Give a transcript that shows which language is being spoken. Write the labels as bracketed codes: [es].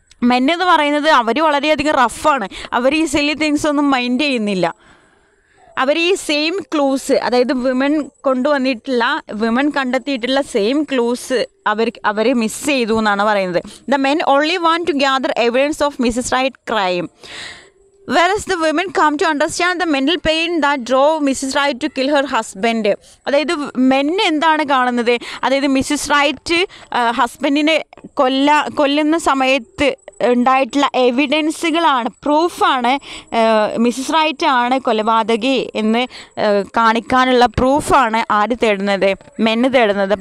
[ml] Men എന്ന് പറയുന്നത് അവർ വളരെയധികം റഫാണ്, അവർ ഈ സില്ലി തിങ്സൊന്നും മൈൻഡ് ചെയ്യുന്നില്ല. അവർ ഈ സെയിം ക്ലൂസ്, അതായത് വിമൺ കൊണ്ടുവന്നിട്ടുള്ള, വിമൺ കണ്ടെത്തിയിട്ടുള്ള സെയിം ക്ലൂസ് അവർ മിസ് ചെയ്തു എന്നാണ് പറയുന്നത്. [en] The men only want to gather evidence of Mrs Wright crime. Whereas the women come to understand the mental pain that drove Mrs. Wright to kill her husband. [ml] അതായത് men എന്താണ് കാണുന്നത്, അതായത് Mrs right ഹസ്ബൻഡിനെ കൊല്ലുന്ന സമയത്ത് ഉണ്ടായിട്ടുള്ള എവിഡൻസുകളാണ്, പ്രൂഫാണ്, Mrs right ആണ് കൊലപാതകി എന്ന് കാണിക്കാനുള്ള പ്രൂഫാണ് ആര് തേടുന്നത്, മെന്ന് തേടുന്നത്.